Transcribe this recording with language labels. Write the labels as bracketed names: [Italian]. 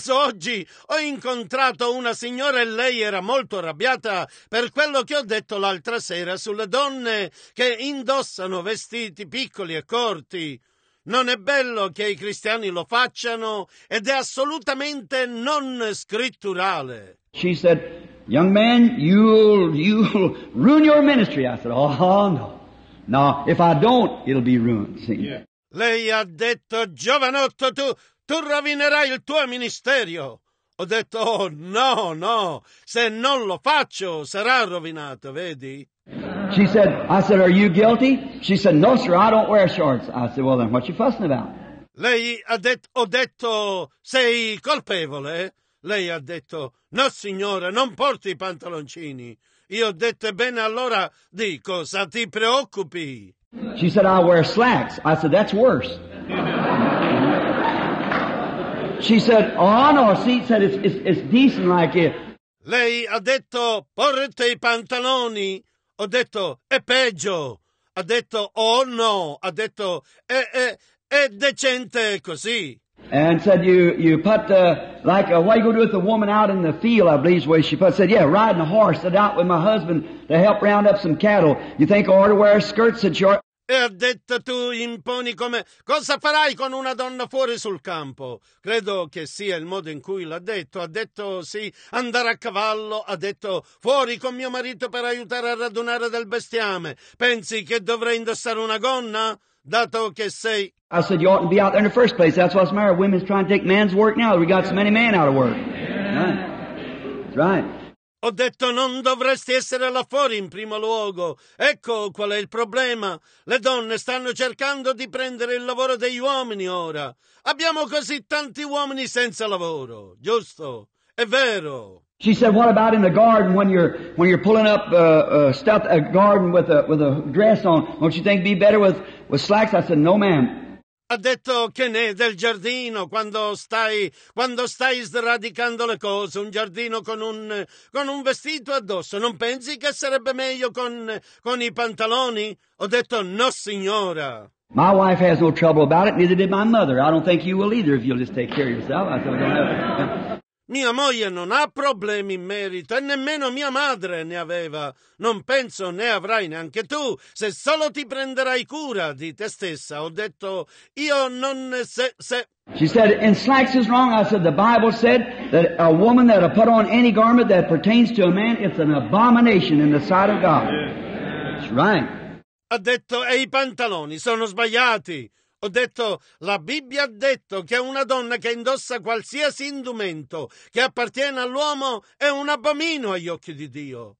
[Italian] Per caso oggi ho incontrato una signora e lei era molto arrabbiata per quello che ho detto l'altra sera sulle donne che indossano vestiti piccoli e corti. Non è bello che i cristiani lo facciano ed è assolutamente non scritturale. [English] She said, young man, you'll ruin your ministry. I said, oh no. No, if I don't, it'll be ruined. See? Yeah. [Italian] Lei ha detto, giovanotto, tu rovinerai il tuo ministerio. Ho detto, oh no, no, se non lo faccio, sarà rovinato, vedi? [English] She said, I said, are you guilty? She said, no, sir, I don't wear shorts. I said, well, then what you fussing about? [Italian] Lei ha detto, ho detto, sei colpevole? Lei ha detto, no signore, non porti i pantaloncini. Io ho detto, ebbene allora di cosa ti preoccupi? [English] She said, I wear slacks. I said, that's worse. She said, oh no, she said, it's decent like it. [Italian] Lei ha detto, porti i pantaloni. Ho detto, è peggio. Ha detto, oh no, ha detto, è decente così. [English] And said, you put the, like, what are you going to do with the woman out in the field, I believe is the way she put it. Said, yeah, riding a horse, said, out with my husband to help round up some cattle. You think I ought to wear a skirt, said she. [Italian] E ha detto, tu imponi come, cosa farai con una donna fuori sul campo? Credo che sia il modo in cui l'ha detto. Ha detto, sì, andare a cavallo. Ha detto, fuori con mio marito per aiutare a radunare del bestiame. Pensi che dovrei indossare una gonna? Dato che sei... [English] I said, you oughtn't be out there in the first place. That's what's married. Women's trying to take man's work now. We got so many men out of work. Right. Right. [Italian] Ho detto, non dovresti essere là fuori in primo luogo. Ecco qual è il problema. Le donne stanno cercando di prendere il lavoro degli uomini ora. Abbiamo così tanti uomini senza lavoro. Giusto? È vero. [English] She said, what about in the garden when you're pulling up stuff, a garden with a dress on? Don't you think it'd be better with slacks? I said, no, ma'am. [Italian] Ha detto, che ne è del giardino quando stai sradicando le cose, un giardino con un vestito addosso. Non pensi che sarebbe meglio con i pantaloni? Ho detto, no signora. [English] My wife has no trouble about it, neither did my mother. I don't think you will either if you'll just take care of yourself. I said, don't have it. [Italian] Mia moglie non ha problemi in merito e nemmeno mia madre ne aveva. Non penso ne avrai neanche tu, se solo ti prenderai cura di te stessa. Ho detto, io non se... [English] She said, in slacks is wrong. I said, the Bible said that a woman that will put on any garment that pertains to a man, it's an abomination in the sight of God. That's right. [Italian] Ha detto, e i pantaloni sono sbagliati. Ho detto, la Bibbia ha detto che una donna che indossa qualsiasi indumento che appartiene all'uomo è un abomino agli occhi di Dio.